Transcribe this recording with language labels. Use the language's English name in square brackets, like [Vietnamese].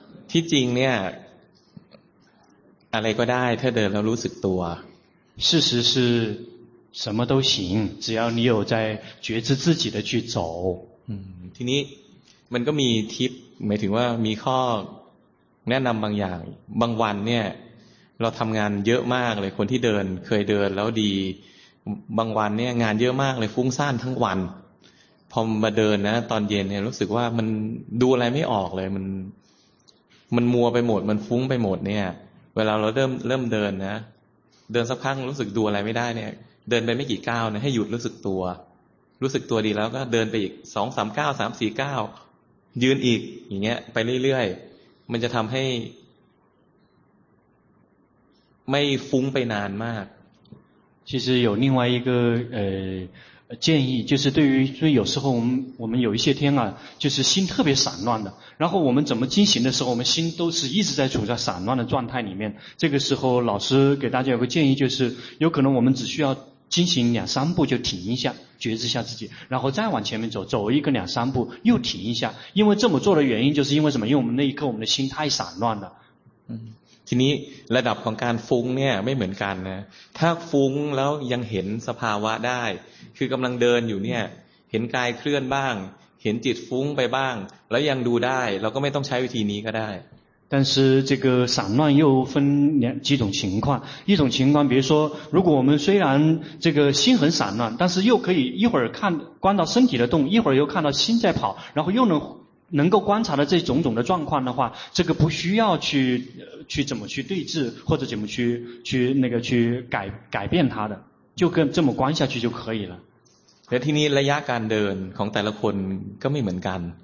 [Thai] ที่จริงเนี่ยอะไรก็ได้ถ้าเดินแล้วรู้สึกตัว [Chinese] 事实是什么都行只要你有在觉知自己的去走 [Thai] ทีนี้มันก็มีทิปหมายถึงว่ามีข้อแนะนำบางอย่างบางวันเนี่ยเราทำงานเยอะมากเลยคนที่เดินเคยเดินแล้วดี บางวันเนี่ยงานเยอะมากเลยฟุ้งซ่านทั้งวันพอมาเดินนะตอนเย็นเนี่ยรู้สึกว่ามันดูอะไรไม่ออกเลยมันมัวไปหมดมันฟุ้งไปหมดเนี่ยเวลาเราเริ่มเดินนะเดินสักพักรู้สึกดูอะไรไม่ได้เนี่ยเดินไปไม่กี่ก้าวนะให้หยุดรู้สึกตัวรู้สึกตัวดีแล้วก็เดินไปอีก2 3 9 3 4 9ยืนอีกอย่างเงี้ยไปเรื่อยๆมันจะทำให้ไม่ฟุ้งไปนานมาก [Chinese] 其实有另外一个建议就是对于所以有时候我们有一些天啊就是心特别散乱的然后我们怎么进行的时候我们心都是一直在处在散乱的状态里面这个时候老师给大家有个建议就是有可能我们只需要进行两三步就停一下觉知一下自己然后再往前面走走一个两三步又停一下因为这么做的原因就是因为什么因为我们那一刻我们的心太散乱了 [Thai] ทีนี้ระดับของการฟุ้งเนี่ยไม่เหมือนกันนะถ้าฟุ้งแล้วยังเห็นสภาวะได้คือกำลังเดินอยู่เนี่ยเห็นกายเคลื่อนบ้างเห็นจิตฟุ้งไปบ้างแล้วยังดูได้เราก็ไม่ต้องใช้วิธีนี้ก็ได้ [Chinese] 但是这个散乱又分两几种情况一种情况比如说如果我们虽然这个心很散乱但是又可以一会儿看观到身体的动一会儿又看到心在跑然后又能够观察到这种种的状况的话这个不需要去怎么去对治或者怎么去那个去改变它的就跟这么观下去就可以了 [Thai] และทีนี้ระยะการเดินของแต่ละคนก็ไม่เหมือนกัน